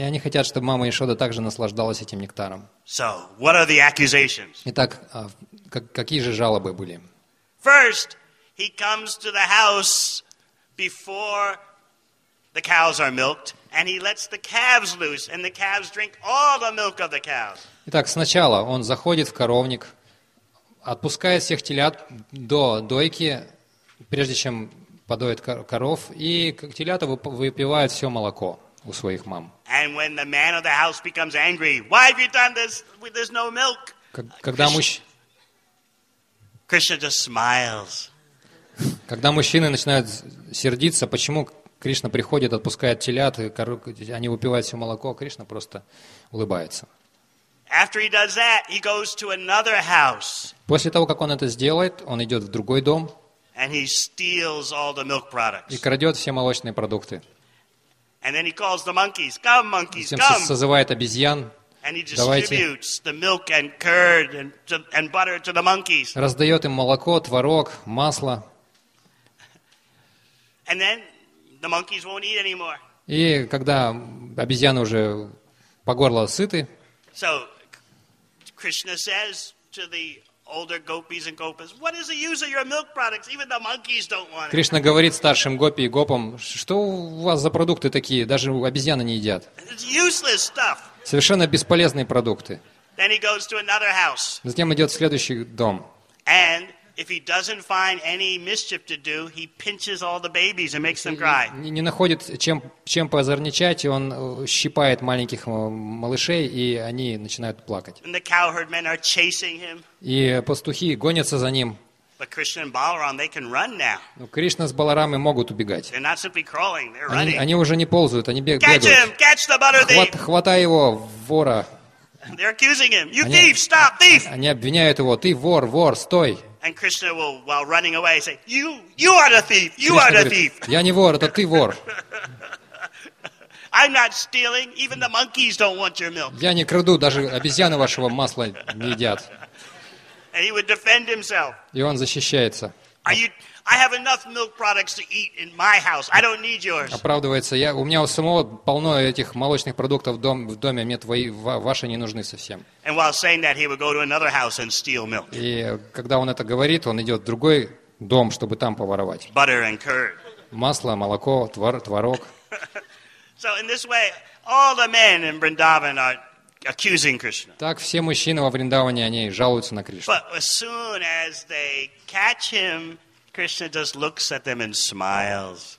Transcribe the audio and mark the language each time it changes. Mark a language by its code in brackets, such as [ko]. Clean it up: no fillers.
[ru] И они хотят, чтобы мама Яшода также наслаждалась этим нектаром. [en] So, what are the accusations? [ru] Итак, какие же жалобы были? [en] First, he comes to the house before the cows are milked, and he lets the calves loose, and the calves drink all the milk of the cows. [ru] Итак, сначала он заходит в коровник, отпускает всех телят до дойки, прежде чем подоит коров, и телята выпивают все молоко у своих мам. [en] And when the man of the house becomes angry, why have you done this? There's no milk. [ru] Когда [en] Krishna just smiles. [ru] Когда мужчины начинают сердиться, почему Кришна приходит, отпускает телят, они выпивают все молоко, а Кришна просто улыбается. [en] After he does that, he goes to another house. [ru] После того, как он это сделает, он идет в другой дом [en] and he steals all the milk products. [ru] И крадет все молочные продукты. [en] And then he calls the monkeys, come, monkeys, come. [ru] Затем созывает обезьян. [en] And he distributes the milk and curd and butter to the monkeys. [ru] Раздает им молоко, творог, масло. [en] And then the monkeys won't eat anymore. [ru] И когда обезьяны уже по горло сыты. [en] So Krishna says to the older gopis and gopas, "What is the use of your milk products? Even the monkeys don't want it." [ru] Кришна говорит старшим гопи и гопам, что у вас за продукты такие, даже обезьяны не едят. [en] It's useless stuff. [ru] Совершенно бесполезные продукты. [en] Then he goes to another house. [ru] Затем идет в следующий дом. [en] And if he doesn't find any mischief to do, he pinches all the babies and makes them cry. [ru] Не находит чем позорничать, и он щипает маленьких малышей, и они начинают плакать. [en] And the cowherd men are chasing him. [ru] И пастухи гонятся за ним. [en] But Krishna and Balaram, they can run now. [ru] Но Кришна с Баларамой могут убегать. [en] They're not simply crawling, they're [ru] они, [en] running. [ru] Они уже не ползают, они бегают. [en] Catch him, catch the butter thief. [ru] Хватай его, вора. [en] They're accusing him. You thief, stop, thief. [ru] Они обвиняют его. Ты вор, вор, стой. [en] And Krishna will, while running away, say, you are the thief, you Krishna are the thief. [ru] Я не вор, это ты вор. [en] I'm not stealing. Even the monkeys don't want your milk. [ru] Я не краду, даже обезьяны вашего масла не едят. [en] And he would defend himself. [ru] И он защищается. [en] Are you? I have enough milk products to eat in my house. I don't need yours. [ru] Оправдывается, у меня у самого полно этих молочных продуктов в доме, мне твои ваши не нужны совсем. [en] And while saying that, he would go to another house and steal milk. [ru] И когда он это говорит, он идет в другой дом, чтобы там поворовать. [en] Butter and curd. [ru] Масло, молоко, творог. [en] So in this way, all the men in Vrindavan are accusing Krishna. [ru] Так все мужчины во Вриндаване они жалуются на Кришну. [en] But as soon as they catch him, Krishna just looks at them and smiles.